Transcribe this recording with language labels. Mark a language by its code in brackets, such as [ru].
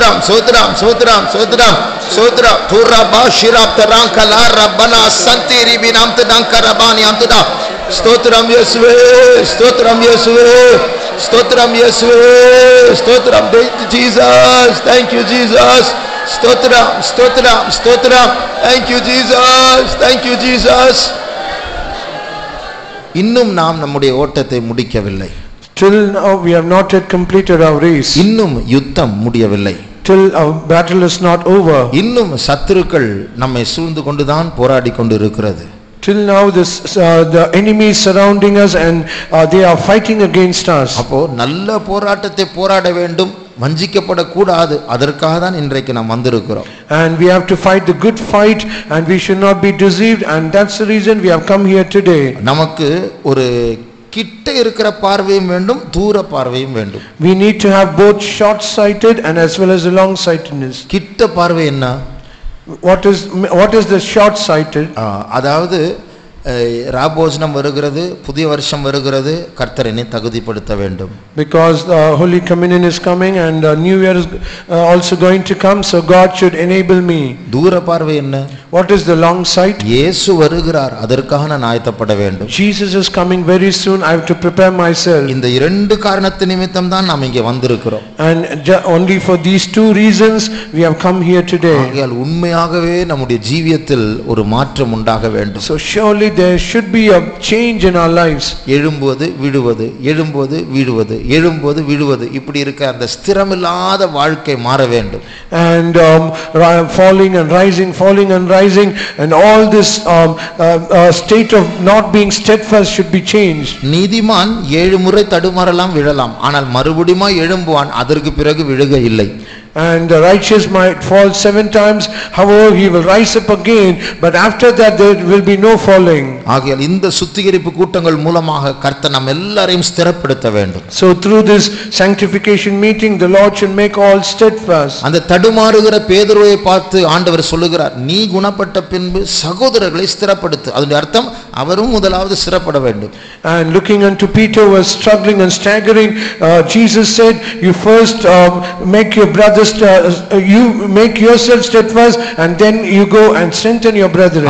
[ta] ஸ்தோத்திர ஸ்தோத்திர ஸ்தோத்திர ஸ்தோத்திர ஸ்தோத்திர தூர பாஷிராப்தராங்க லாரபனா சந்திரி வினாந்த நங்கரபானி அந்ததா ஸ்தோத்திரம் இயேசுவே ஸ்தோத்திரம் இயேசுவே ஸ்தோத்திரம் இயேசுவே ஸ்தோத்திரம் ஜீசஸ் [en] thank you Jesus [ta] ஸ்தோத்திரம் ஸ்தோத்திரம் ஸ்தோத்திரம் thank you Jesus thank you Jesus இன்னும் நாம் நம்முடைய ஓட்டத்தை முடிக்கவில்லை. [en] Till now we have not yet completed our race. [ta] இன்னும் யுத்தம் முடியவில்லை. [en] Till our battle is not over. [ta] இன்னும் சத்துருக்கள் நம்மை சூழ்ந்து கொண்டுதான் போராடி கொண்டிருக்கிறது. [en] Till now this the enemy is surrounding us and they are fighting against us. [ta] அப்ப நல்ல போராட்டத்தை போராட வேண்டும், வஞ்சிக்கப்பட கூடாது, அதற்காக தான் இன்றைக்கு நாம் வந்திருக்கிறோம். [en] And we have to fight the good fight and we should not be deceived and that's the reason we have come here today. [ta] நமக்கு ஒரு கிட்ட இருக்கிற பார்வையும் வேண்டும், தூர பார்வையும் வேண்டும். [en] We need to have both short sighted and as well as the long sightedness. [ta] கிட்ட பார்வை என்ன? [en] What is the short sighted? [ta] அதாவது ராபோஜனம் வருகிறது, புதிய வருஷம் வருகிறது, கர்த்தர் என்னை தகுதிப்படுத்த வேண்டும். [en] Because the holy communion is coming and new year is also going to come, so God should enable me. [ta] தூர பார்வை என்ன? [en] What is the long sight? [ta] இயேசு வருகிறார், அதற்காக நான் ஆயத்தப்பட வேண்டும். [en] Jesus is coming very soon, I have to prepare myself. [ta] இந்த இரண்டு காரணத்து நிமித்தம் தான் நாம் இங்கே வந்திருக்கிறோம். [en] And only for these two reasons we have come here today. [ta] ஆகையால் உண்மையாகவே நம்முடைய ஜீவியத்தில் ஒரு மாற்றம் உண்டாக வேண்டும். [en] So surely there should be a change in our lives. [ta] எழும்போது விடுவது, எழும்போது விடுவது, எழும்போது விடுவது, இப்படி இருக்க அந்த ஸ்திரமில்லாத வாழ்க்கை மாற வேண்டும். [en] And falling and rising and all this state of not being steadfast should be changed. [ta] நீதிமான் ஏழு முறை தடுமாறலாம், விழலாம், ஆனால் மறுபடியும் எழும்புவான், அதற்கு பிறகு விழுக இல்லை. [en] And the righteous might fall 7 times, however he will rise up again, but after that there will be no falling. [ta] ஆகையால் இந்த சுத்திகரிப்பு கூட்டங்கள் மூலமாக கர்த்தர் நம் எல்லாரையும் ஸ்திரப்படுத்த வேண்டும். [en] So through this sanctification meeting the Lord should make all steadfast. [ta] அந்த தடுமாறுகிற பேதுருவை பார்த்து ஆண்டவர் சொல்கிறார், நீ குணப்பட்ட பின்பு சகோதரர்களை ஸ்திரப்படுத்து. அதனுடைய அர்த்தம் அவரும் முதலாவது ஸ்திரப்பட வேண்டும். [en] And looking unto Peter who was struggling and staggering, Jesus said, you first make your brother you make yourself steadfast and then you go and strengthen your brethren.